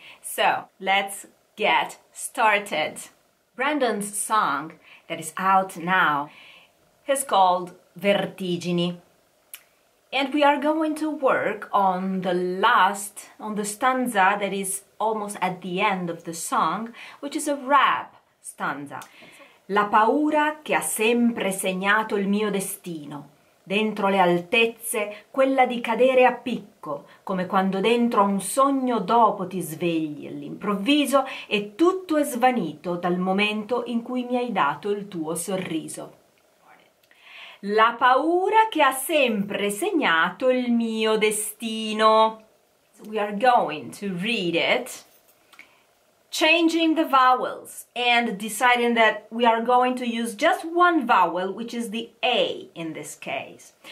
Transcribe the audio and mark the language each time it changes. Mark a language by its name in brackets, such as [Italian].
[English] So, let's get started. Brandon's song that is out now is called Vertigini. And we are going to work on the last, on the stanza that is almost at the end of the song, which is a rap stanza. [Italian] La paura che ha sempre segnato il mio destino. Dentro le altezze, quella di cadere a picco, come quando dentro un sogno dopo ti svegli all'improvviso e tutto è svanito dal momento in cui mi hai dato il tuo sorriso. La paura che ha sempre segnato il mio destino. [English] So we are going to read it, changing the vowels and deciding that we are going to use just one vowel, which is the A in this case.